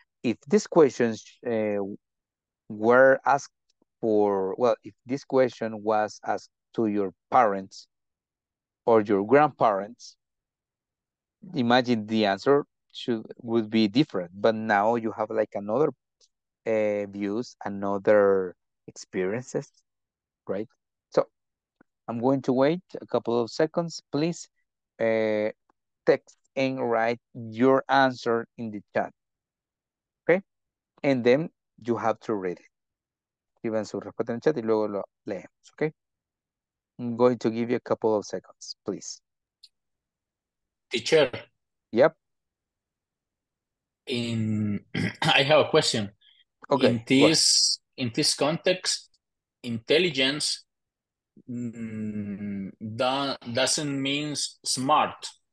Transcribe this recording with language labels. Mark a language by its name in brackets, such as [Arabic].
[English] If these questions were asked for, well, if this question was asked to your parents or your grandparents, imagine the answer would be different, but now you have like another views, another experiences, right? So I'm going to wait a couple of seconds. Please text and write your answer in the chat. Okay? And then you have to read it. [Spanish] Escriban su respuesta en el chat y luego lo leemos. [English] Okay? I'm going to give you a couple of seconds, please. Teacher. Yep. In I have a question. Okay. In this context, intelligence doesn't mean smart.